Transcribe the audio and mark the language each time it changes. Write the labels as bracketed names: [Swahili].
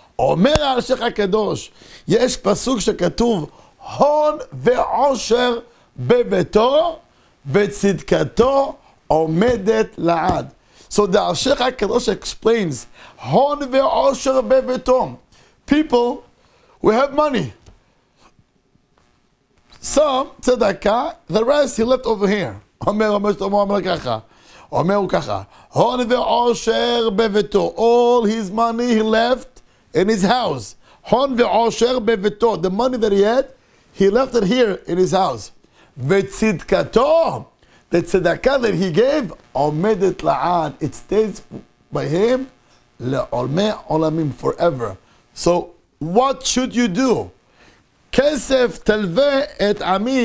[Hebrew] אומר הארשך הקדוש, יש פסוק שכתוב, הון ועושר בביתו, וצדקתו עומדת לעד. [English] So the [Hebrew] הארשך הקדוש [English] explains, [Hebrew] הון ועושר בביתו. [English] People, we have money. Some, צדקה, the rest he left over here. [Hebrew] אומר שתומו, אומר ככה. אומר הוא ככה, הון ועושר בביתו. [English] All his money he left in his house. [Hebrew] Hon ve'osher beveto. [English] The money that he left it here in his house. [Hebrew] Ve'tzidkato. [English] The tzedakah that he gave, [Hebrew] omedet la'ad. [English] It stays by him, [Hebrew] le'olmei olamim, [English] forever. So, what should you do? [Hebrew] Kesef telve et ami.